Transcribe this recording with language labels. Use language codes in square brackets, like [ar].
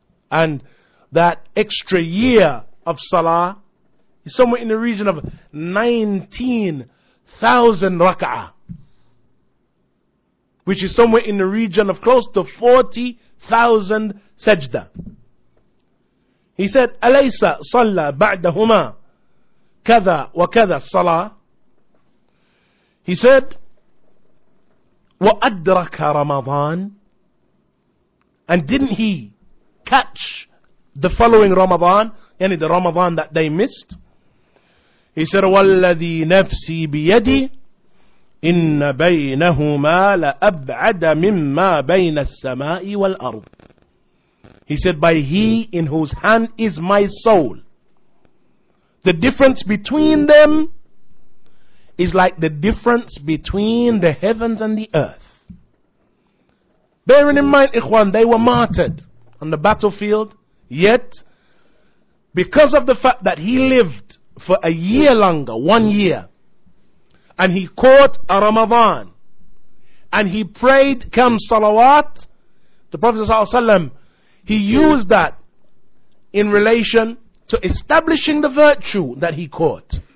[en] And that extra year of salah is somewhere in the region of 19,000 raka'ah, which is somewhere in the region of close to 40,000 sajda. He said, [ar] أَلَيْسَ صَلَّى بَعْدَهُمَا كَذَا وَكَذَا صَلَى. [en] He said, [ar] وَأَدْرَكَ رَمَضَانَ. [en] And didn't he catch the following Ramadan, yani the Ramadan that they missed? He said, [ar] وَالَّذِي نَفْسِي بِيَدِي إِنَّ بَيْنَهُمَا لَأَبْعَدَ مِمَّا بَيْنَ السَّمَاءِ وَالْأَرْضِ. [en] He said, by he in whose hand is my soul, the difference between them is like the difference between the heavens and the earth. Bearing in mind, ikhwan, they were martyred on the battlefield, yet because of the fact that he lived for a year longer, 1 year, and he caught a Ramadan, and he prayed [ar] kam salawat, [en] the Prophet ﷺ, he used that in relation to establishing the virtue that he caught.